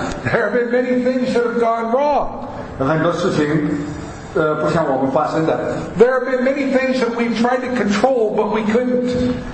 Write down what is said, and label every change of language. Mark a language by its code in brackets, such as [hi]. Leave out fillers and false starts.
[en] There have been many things that have gone wrong. [zh] 有很多事情不像我们发生的。 [en] There have been many things that we've tried to control, but we couldn't.